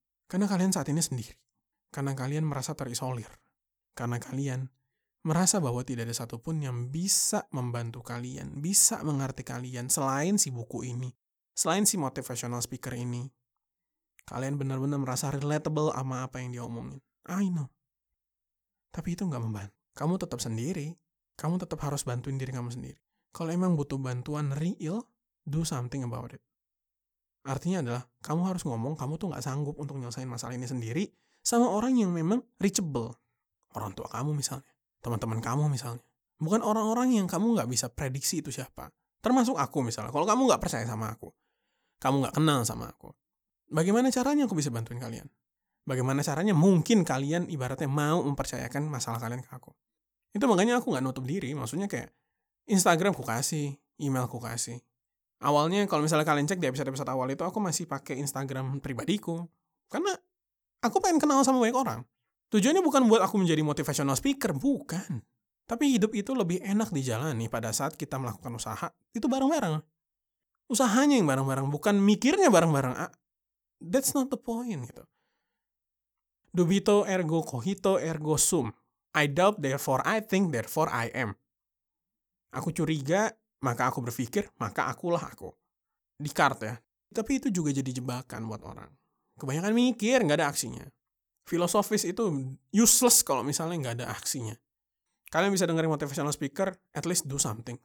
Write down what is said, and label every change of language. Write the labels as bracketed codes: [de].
[id] Karena kalian saat ini sendiri. Karena kalian merasa terisolir. Karena kalian merasa bahwa tidak ada satupun yang bisa membantu kalian, bisa mengerti kalian selain si buku ini, selain si motivational speaker ini. Kalian benar-benar merasa relatable sama apa yang dia omongin. [en] I know. [id] Tapi itu gak membantu. Kamu tetap sendiri, kamu tetap harus bantuin diri kamu sendiri. Kalau emang butuh bantuan real, [en] do something about it. [id] Artinya adalah, kamu harus ngomong kamu tuh gak sanggup untuk nyelesain masalah ini sendiri sama orang yang memang reachable. Orang tua kamu misalnya. Teman-teman kamu misalnya. Bukan orang-orang yang kamu gak bisa prediksi itu siapa. Termasuk aku misalnya. Kalau kamu gak percaya sama aku. Kamu gak kenal sama aku. Bagaimana caranya aku bisa bantuin kalian? Bagaimana caranya mungkin kalian ibaratnya mau mempercayakan masalah kalian ke aku? Itu makanya aku gak nutup diri. Maksudnya kayak Instagram ku kasih. Email ku kasih. Awalnya kalau misalnya kalian cek di episode-episode awal itu aku masih pakai Instagram pribadiku. Karena aku pengen kenal sama banyak orang. Tujuannya bukan buat aku menjadi motivational speaker, bukan. Tapi hidup itu lebih enak dijalani pada saat kita melakukan usaha, itu bareng-bareng. Usahanya yang bareng-bareng, bukan mikirnya bareng-bareng. [en] That's not the point, [id] gitu. [la] Dubito ergo cogito ergo sum. [en] I doubt, therefore I think, therefore I am. [id] Aku curiga, maka aku berpikir, maka akulah aku. Descartes ya. Tapi itu juga jadi jebakan buat orang. Kebanyakan mikir, nggak ada aksinya. Filosofis itu useless kalau misalnya nggak ada aksinya. Kalian bisa dengerin motivational speaker, [en] at least do something.